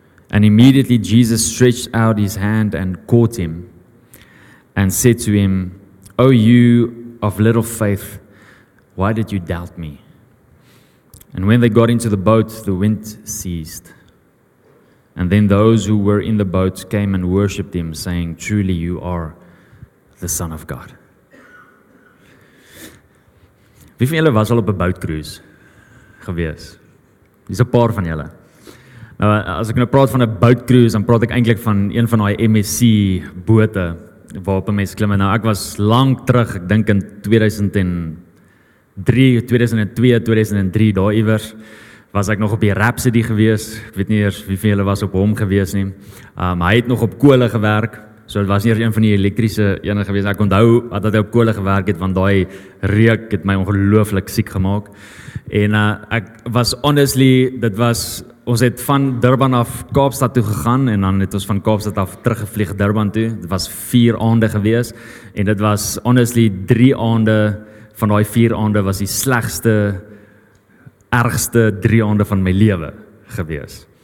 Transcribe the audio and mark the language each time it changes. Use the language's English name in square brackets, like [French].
[English] And immediately Jesus stretched out his hand and caught him and said to him, "O you of little faith, why did you doubt me?" And when they got into the boat, the wind ceased. And then those who were in the boat came and worshipped him, saying, "Truly you are the Son of God." [Afrikaans] Wie van julle was al op 'n bootcruise gewees? Dis 'n paar van julle. Nou, as ek nou praat van 'n bootcruise, dan praat ek eintlik van een van daai MSC bote waarop mense klim. Nou, ek was lank terug, ek dink in 2003, daar iewers, was ek nog op die Rhapsody gewees. Ek weet nie eers wie van julle was op hom gewees nie. Hy het nog op kole gewerk, so het was nie eers een van die elektriese ene gewees. Ek onthou dat hy op kole gewerk het, want daai reuk het my ongelooflik siek gemaak. En ek was honestly, dit was... Ons het van Durban af Kaapstad toe gegaan en dan het ons van Kaapstad af teruggevlieg Durban toe. Dit was 4 aande gewees en dit was honestly 3 aande van daai 4 aande was die slegste, ergste 3 aande van my lewe gewees.